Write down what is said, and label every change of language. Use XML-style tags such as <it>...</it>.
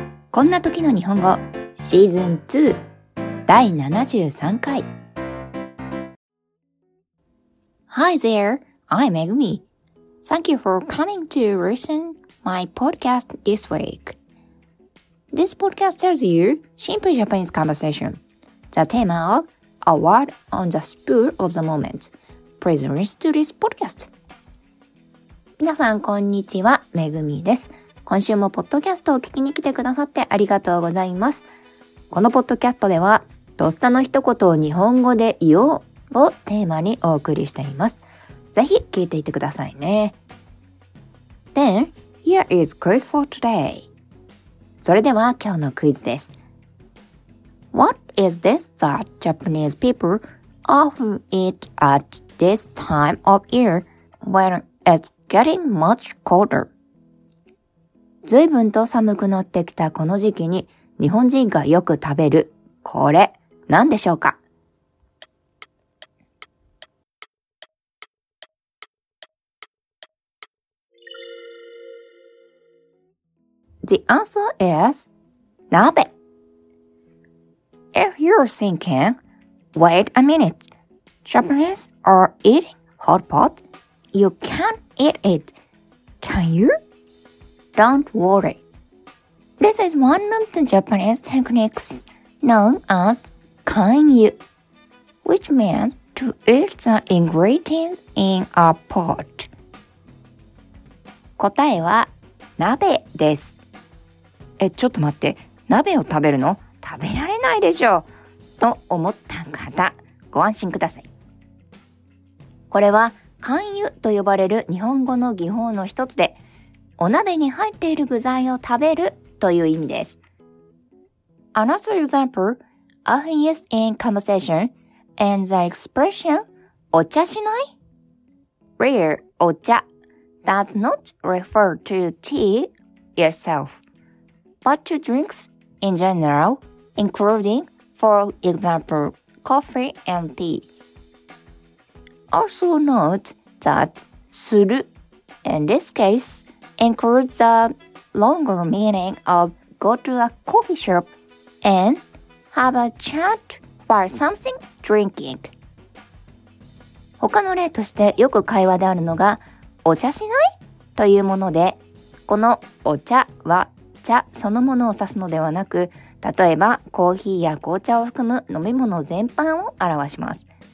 <ja>こんな時の日本語シーズン2第73回。</ja> <en>Hi there, I'm Megumi. Thank you for coming to listen my podcast this week. This podcast tells you simple Japanese conversation. The theme of a word on the spur of the moment. Please listen to this podcast.</en> <ja>皆さんこんにちは、Megumiです。今週もポッドキャストを聞きに来てくださってありがとうございます。このポッドキャストでは、とっさの一言を日本語で言おうをテーマにお送りしています。ぜひ聞いていてくださいね。</ja> <en>Then, here is quiz for today.</en> <ja>それでは今日のクイズです。</ja> <en>What is this that Japanese people often eat at this time of year when it's getting much colder?</en> <ja>ずいぶんと寒くなってきたこの時期に日本人がよく食べるこれ何でしょうか？</ja> <en>The answer is 鍋。If you're thinking, wait a minute, Japanese are eating hot pot? You can't eat it, can you? Don't worry. This is one of the Japanese techniques known as kanyu, which means to eat the ingredients in a pot.</en> <ja>答えは鍋です。え、ちょっと待って、鍋を食べるの？食べられないでしょう。と思った方、ご安心ください。これは kanyu と呼ばれる日本語の技法の一つで、お鍋に入っている具材を食べるという意味です。</ja> <en>Another example often used in conversation and the expression</en> <ja>お茶しない?</ja> <en>Where お茶 does not refer to tea itself, but to drinks in general, including, for example, coffee and tea. Also note that する in this caseincludes a longer meaning of go to a coffee shop and have a chat for something drinking.</en> <ja>他の例としてよく会話であるのがお茶しない? というもので、このお茶は茶そのものを指すのではなく、例えばコーヒーや紅茶を含む飲み物全般を表します。</ja>